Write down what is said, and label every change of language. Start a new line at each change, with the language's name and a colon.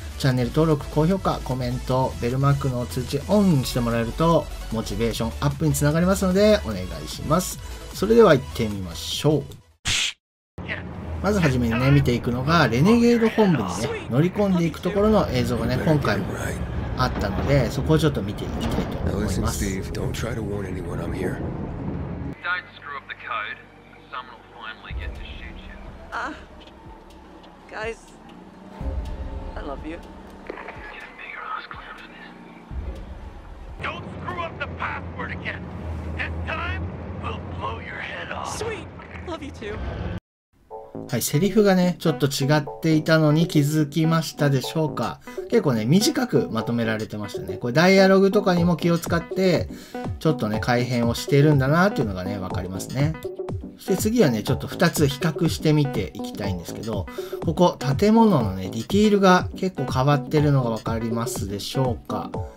Japanese: チャンネル登録、高評価、コメント、ベルマークの通知オンにしてもらえると、モチベーションアップにつながりますので、お願いします。それでは行ってみましょう。まずはじめにね、見ていくのが、レネゲード本部にね、乗り込んでいくところの映像がね、今回も。あったので、そこをちょっと見ていきたいと思います。
English: Steve, don't try to warn anyone I'm here. Don't screw up the code, someone will finally get to shoot you. Guys, I love you. Get a bigger ass clown for this. Don't screw up the password again. This time, we'll blow your head off. Sweet, love you too.
Japanese: はい、セリフがね、ちょっと違っていたのに気づきましたでしょうか。結構ね、短くまとめられてましたね。これダイアログとかにも気を使って、ちょっとね、改変をしてるんだなっていうのがね、わかりますね。そして次はね、ちょっと2つ比較してみていきたいんですけど、ここ、建物のね、ディティールが結構変わってるのがわかりますでしょうか。